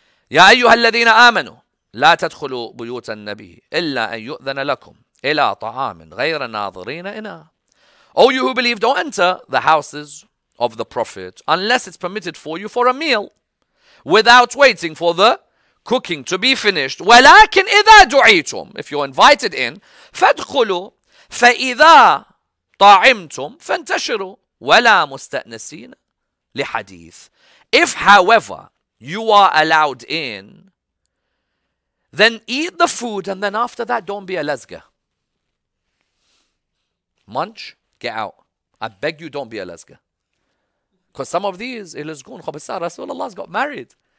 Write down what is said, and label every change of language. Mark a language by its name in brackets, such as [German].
[Arabic] يَا أَيُّهَا الَّذِينَ آمَنُوا لَا تَدْخُلُوا بُيُوتَ النَّبِيِّ إِلَّا أَن يُؤْذَنَ لَكُمْ إِلَىٰ طَعَامٍ غَيْرَ نَاظِرِينَ إِنَا. [English] Oh, you who believe, don't enter the houses of the Prophet unless it's permitted for you for a meal without waiting for the cooking to be finished. [Arabic] وَلَكِنْ إِذَا دُعِيتُمْ, [English] if you're invited in, [Arabic] فَادْخُلُوا فَإِذَا طَعِمْتُمْ فَانْتَشِرُوا وَلَا مُسْتَأْنَسِينَ لِحَدِيث. [English] If, however, you are allowed in, then eat the food, and then after that, don't be a lezga. Munch, get out. I beg you, don't be a lezga. Because some of these, Rasulullah's got married.